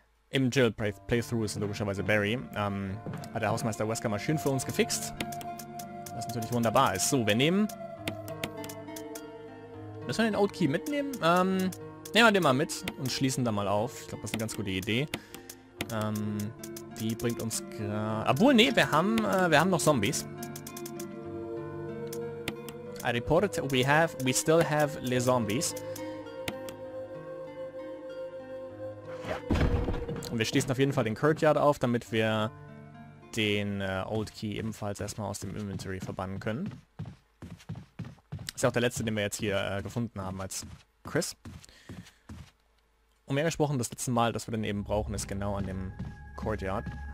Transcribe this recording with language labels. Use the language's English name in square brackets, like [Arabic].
[German] Im Jill Playthrough ist logischerweise Barry, hat der Hausmeister Wesker mal schön für uns gefixt. Was natürlich wunderbar ist. So, wir nehmen... Müssen wir den Old Key mitnehmen? Nehmen wir den mal mit und schließen da mal auf. Ich glaube, das ist eine ganz gute Idee. Die bringt uns gerade... Obwohl, nee, wir haben noch Zombies. [English] I reported we still have the zombies. [German] Ja. Und wir schließen auf jeden Fall den Courtyard auf, damit wir den Old Key ebenfalls erstmal aus dem Inventory verbannen können. Ist ja auch der letzte, den wir jetzt hier gefunden haben als Chris. Und mehr gesprochen, das letzte Mal, das wir dann eben brauchen, ist genau an dem Courtyard.